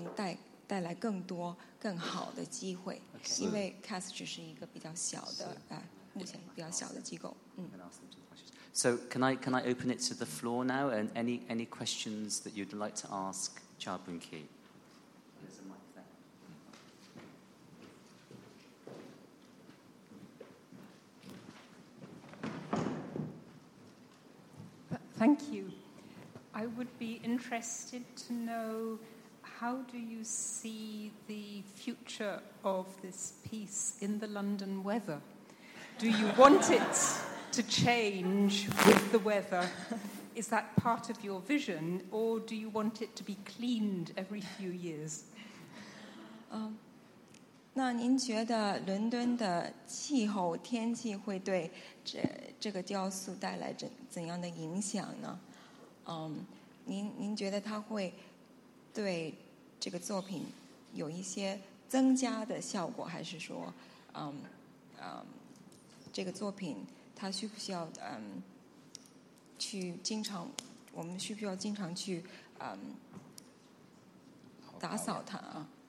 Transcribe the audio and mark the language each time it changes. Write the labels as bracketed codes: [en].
[zh] 我们听说您有另外一个很大的项目在云南，是一个蒂姆娘娘的塑像，是吗？其实您是新加坡的艺术家，然后能到伦，然后您创作的作品能到伦敦来装置，其实是为您，其实是Cass也很高兴，为您能带来更多。更好的机会，因为 CAS 只是一个比较小的，目前比较小的机构。So [en] can I open it to the floor now? And any questions that you'd like to ask Cha Boon Kee? There's a mic there. Thank you. I would be interested to know. How do you see the future of this piece in the London weather? Do you want it to change with the weather? Is that part of your vision, or do you want it to be cleaned every few years? [zh] 那您觉得伦敦的气候天气会对 这个雕塑带来怎样的影响呢？您觉得它会对这个作品有一些增加的效果，还是说，这个作品它需不需要去经常，我们需不需要经常去打扫它啊？